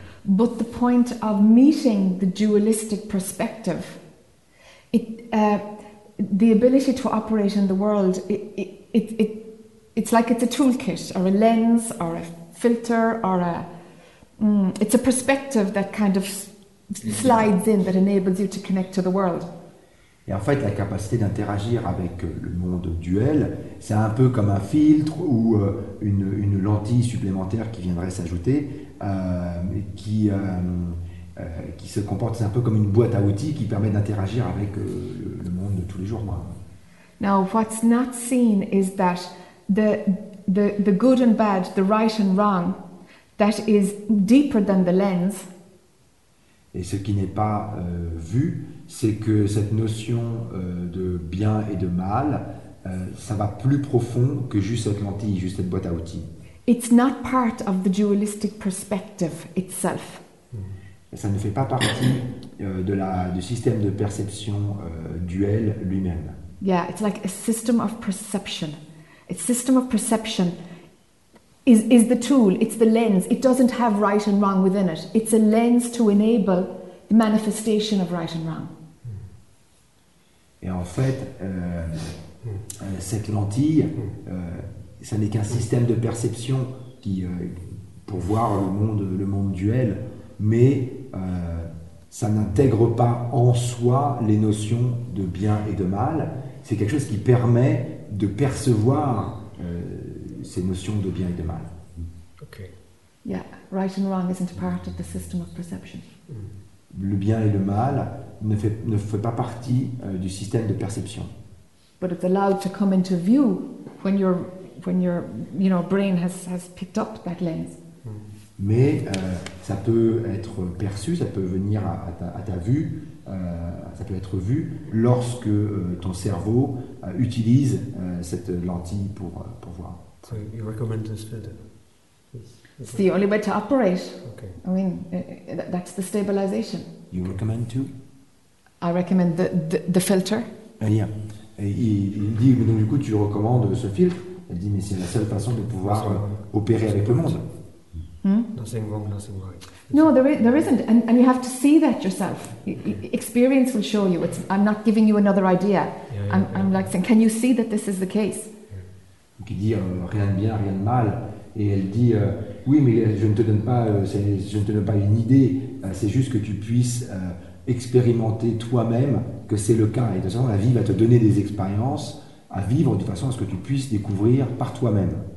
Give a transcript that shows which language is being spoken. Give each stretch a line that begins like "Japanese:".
English: But the point of meeting the dualistic perspective, the ability to operate in the world, it's like it's a toolkit, or a lens, or a filter, or a it's a perspective that kind of slides in, that enables you to connect to the world.
French: Et en fait, la capacité d'interagir avec le monde duel, c'est un peu comme un filtre ou une lentille supplémentaire qui viendrait s'ajouter, qui se comporte, c'est un peu comme une boîte à outils qui permet d'interagir avec le monde de tous les jours.
English: Now, what's not seen is that the good and bad, the right and wrong, that is deeper than the lens.
French: Et ce qui n'est pas vu, c'est que cette notion de bien et de mal, ça va plus profond que juste cette lentille, juste cette boîte à outils.
English: It's not part of the dualistic perspective itself.
French: Ça ne fait pas partie du système de perception duel lui-même.
English: Yeah, it's like a system of perception. A system of perception is the tool, it's the lens. It doesn't have right and wrong within it. It's a lens to enable the manifestation of right and wrong.
French: Et en fait, cette lentille, ça n'est qu'un système de perception qui pour voir le monde duel, mais ça n'intègre pas en soi les notions de bien et de mal. C'est quelque chose qui permet de percevoir ces notions de bien et de mal.
English: Okay. Yeah, right and wrong isn't part of the system of perception.
French: Le bien et le mal ne fait pas partie du système de perception.
English: But it's allowed to come into view when your you know, brain has picked up that lens.
French: Mais ça peut être perçu, ça peut venir à ta vue, ça peut être vu lorsque ton cerveau utilise cette lentille pour voir.
English: So you recommend this filter? It's the only way to operate. Okay. I mean, that's the stabilization. You recommend to? I recommend the filter.
French: Yeah. Et il dit, mais donc du coup, tu recommandes ce filtre? Elle dit, mais c'est la seule façon de pouvoir opérer avec le monde.
English: Nothing wrong, nothing right. No, there isn't. And you have to see that yourself. Okay. Experience will show you. I'm not giving you another idea. Yeah, yeah, I'm like saying, can you see that this is the case?
French: Qui dit rien de bien, rien de mal, et elle dit oui, mais je ne te donne pas, je ne te donne pas une idée. C'est juste que tu puisses expérimenter toi-même que c'est le cas. Et de toute façon, la vie va te donner des expériences à vivre de façon à ce que tu puisses découvrir par toi-même.